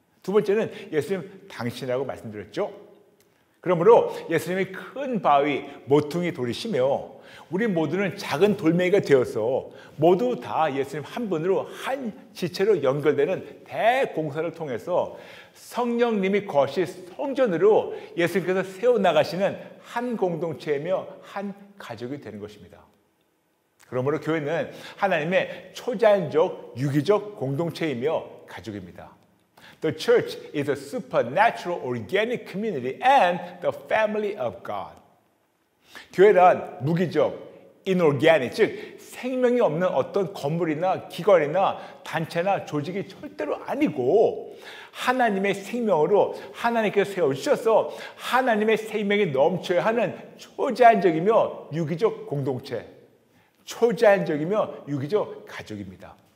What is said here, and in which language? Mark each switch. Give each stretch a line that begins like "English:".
Korean: 두 번째는 예수님 당신이라고 말씀드렸죠? 그러므로 예수님이 큰 바위 모퉁이 돌이시며 우리 모두는 작은 돌멩이가 되어서 모두 다 예수님 한 분으로 한 지체로 연결되는 대공사를 통해서 성령님이 거하실 성전으로 예수님께서 세워나가시는 한 공동체이며 한 가족이 되는 것입니다. 그러므로 교회는 하나님의 초자연적 유기적 공동체이며 가족입니다.
English: The church is a supernatural organic community and the family of God.
Korean: 교회란 무기적, inorganic, 즉 생명이 없는 어떤 건물이나 기관이나 단체나 조직이 절대로 아니고 하나님의 생명으로 하나님께서 세워주셔서 하나님의 생명이 넘쳐야 하는 초자연적이며 유기적 공동체, 초자연적이며 유기적 가족입니다.